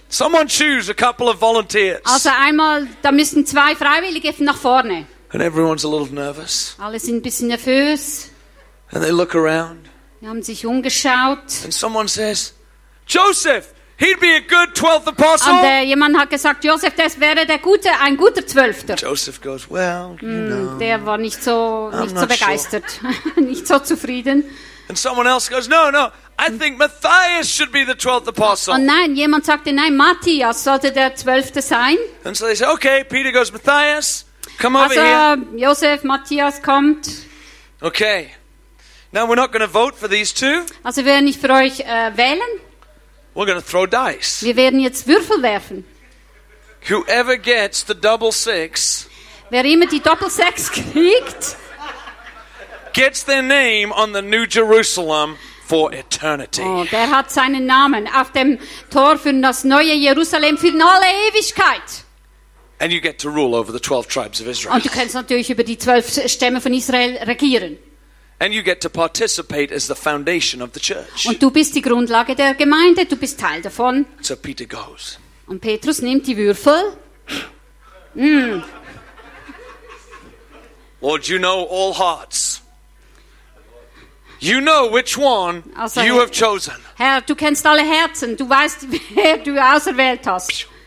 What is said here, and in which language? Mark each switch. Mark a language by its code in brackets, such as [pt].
[en] Someone choose a couple of volunteers. [de] Also einmal, da müssen 2 Freiwillige nach vorne. [en] And everyone's a little nervous. [de] Alle sind ein bisschen nervös. [en] And they look around. [de] Sie haben sich umgeschaut. [en] And someone says, Joseph, he'd be a good 12th apostle. [de] Und jemand hat gesagt, Joseph, das wäre ein guter 12. [en] Joseph goes, well, you know. [de] Der war nicht so begeistert, sure. Nicht so zufrieden. [en] And someone else goes, no, I think Matthias should be the 12th apostle. [de] Und nein, jemand sagte, nein, Matthias sollte der 12. sein. [en] And so they say, okay, Peter goes, Matthias, come over [de] also, [en] here. [de] Also Joseph, Matthias kommt. [en] Okay. Now we're not going to vote for these two. [de] Also werden nicht für euch wählen. [en] We're going to throw dice. [de] Wir werden jetzt Würfel werfen. [en] Whoever gets the double six, [de] wer immer die Doppel-Sechs kriegt, [en] gets their name on the New Jerusalem for eternity. [de] Oh, der hat seinen Namen auf dem Tor für das neue Jerusalem für alle Ewigkeit. [en] And you get to rule over the 12 tribes of Israel. [de] Und du kannst natürlich über die 12 Stämme von Israel regieren. [en] And you get to participate as the foundation of the church. [de] Und du bist die Grundlage der Gemeinde, du bist Teil davon. [en] So Peter goes. [de] Und Petrus nimmt die Würfel. [en] Lord, you know all hearts. You know which one also, you have chosen. [de] Herr, du kennst alle Herzen, du weißt, wer du auserwählt hast.